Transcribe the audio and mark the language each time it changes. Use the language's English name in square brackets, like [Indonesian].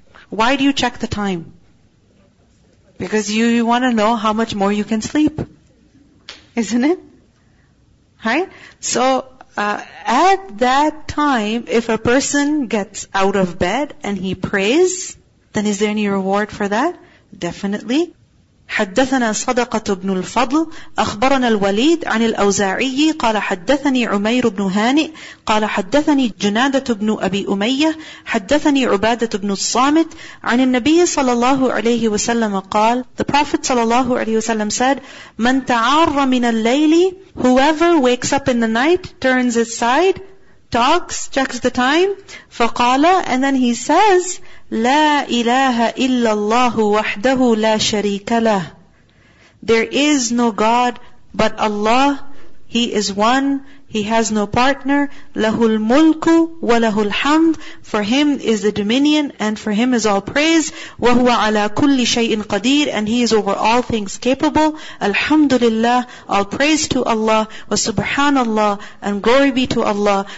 [English] Why do you check the time? Because you want to know how much more you can sleep. Isn't it? Right? So, at that time, if a person gets out of bed and he prays, then is there any reward for that? Definitely. [Arabic] حدثنا صدقة بن الفضل أخبرنا الوليد عن الأوزاعي قال حدثني عمير بن هانئ قال حدثني جنادة بن أبي أمية حدثني عبادة بن الصامت عن النبي صلى الله عليه وسلم قال [English] The Prophet [Arabic] صلى الله عليه وسلم [English] said [Arabic] من تعار من الليل [English] Whoever wakes up in the night, turns his side, talks, checks the time [Arabic] فقال [English] And then he says [Arabic] لا إله إلا الله وحده لا شريك له [English] There is no God but Allah. He is one. He has no partner. [Arabic] له الملك وله الحمد [English] For Him is the dominion and for Him is all praise. [Arabic] وهو على كل شيء قدير [English] And He is over all things capable. [Arabic] الحمد لله [English] All praise to Allah. [Arabic] وسبحان الله [English] And glory be to Allah.